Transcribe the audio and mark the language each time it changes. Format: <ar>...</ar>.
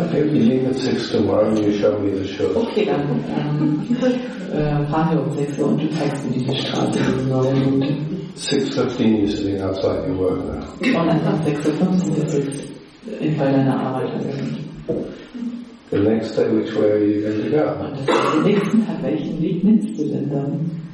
<en>Okay, we leave at 6 tomorrow and you show me the show.</en> <de>Okay, dann fahren wir um 6 Uhr und du zeigst mir diese Straße.</de> <en>6:15 you're sitting outside your work now.</en> <de>Und dann 6:15 Uhr sitzt in deiner Arbeit.</de> <en>The next day, which way are you going to go?</en> <de>Den nächsten Tag, welchen Weg nimmst du denn dann?</de>